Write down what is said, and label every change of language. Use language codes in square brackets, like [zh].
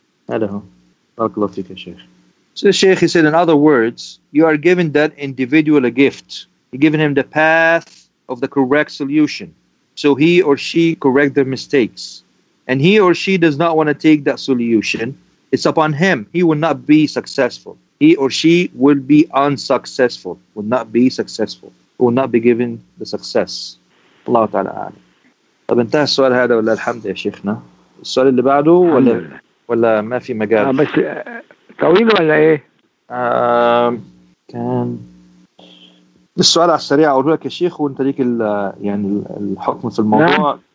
[ar] هذا هو بارك الله فيك يا شيخ. [en] So Sheikh, he said, in other words, you are giving that individual a gift. You're giving him the path of the correct solution. So he or she correct their mistakes. And he or she does not want to take that solution. It's upon him. He will not be successful. He or she will be unsuccessful. Will not be successful. Will not be given the success. [ar] Allah Ta'ala A'ala. طب انتهى السؤال هذا ولا الحمد يا شيخنا. السؤال اللي بعده ولا ما في مجال. طويل ولا ايه؟ كان السؤال على السريع اقول لك يا شيخ وانت ليك يعني الحكم في الموضوع. نعم.